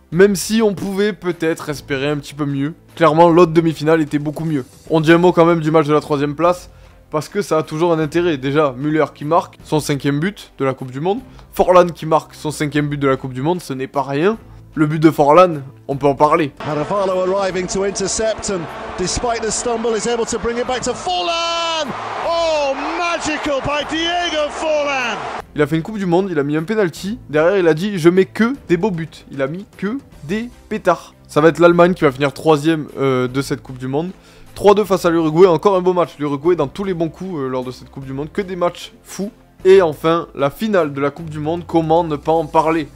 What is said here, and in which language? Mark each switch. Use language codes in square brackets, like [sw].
[fr] Même si on pouvait peut-être espérer un petit peu mieux. Clairement, l'autre demi-finale était beaucoup mieux. On dit un mot quand même du match de la troisième place, parce que ça a toujours un intérêt. Déjà, Müller qui marque son 5e but de la Coupe du Monde. Forlan qui marque son 5e but de la Coupe du Monde, ce n'est pas rien. Le but de Forlan, on peut en parler. [en] Carvalho arriving to intercept and despite the stumble is able to bring it back to Forlan. Oh, magical by Diego Forlan. [fr] Il a fait une Coupe du Monde, il a mis un penalty. Derrière, il a dit je mets que des beaux buts. Il a mis que des pétards. Ça va être l'Allemagne qui va finir 3e de cette Coupe du Monde. 3-2 face à l'Uruguay, encore un beau match. L'Uruguay dans tous les bons coups lors de cette Coupe du Monde, que des matchs fous. Et enfin, la finale de la Coupe du Monde, comment ne pas en parler?